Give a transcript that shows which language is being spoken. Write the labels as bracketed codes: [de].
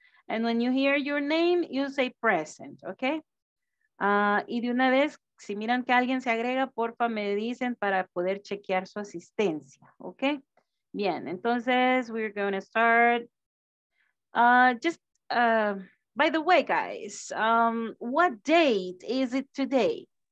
[en] And when you hear your name, you say present, okay? [es] Y de una vez, si miran que alguien se agrega, porfa, me dicen para poder chequear su asistencia, okay? Bien, entonces, [en] we're going to start. By the way, guys, what date is it today?